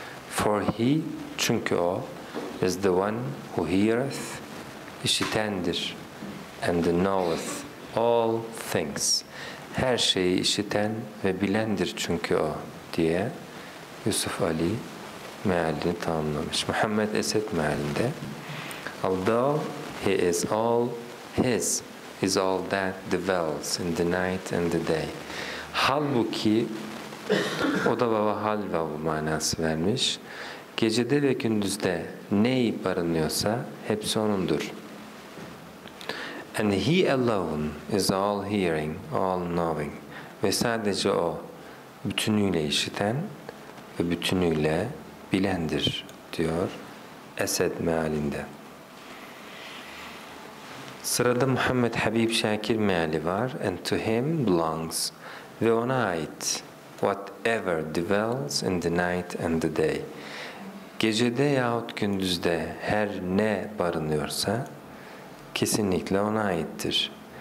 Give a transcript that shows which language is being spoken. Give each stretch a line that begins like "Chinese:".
English: For he,
Turkish: çünkü o,
English: is the one who heareth,
Turkish: işitendir,
English: and knoweth all things.
Turkish: Her şeyi işiten ve bilendir çünkü o, diye Yusuf Ali mealini tamamlamış. Muhammed Esed mealinde,
English: although he is all his, is all that dwells in the night and the day.
Turkish: Halbuki, o da vava hal vavu manası vermiş. Gecede ve gündüzde neyi barınıyorsa hepsi onundur.
English: And he alone is all hearing, all knowing.
Turkish: Ve sadece o bütünüyle işiten ve bütünüyle bilendir diyor Esed mealinde. Sırada Muhammed Habib Şakir meali var.
English: And to him belongs
Turkish: ve ona ait
English: whatever dwells in the night and the day.
Turkish: Gecede yahut gündüzde her ne barınıyorsa kesinlikle ona aittir.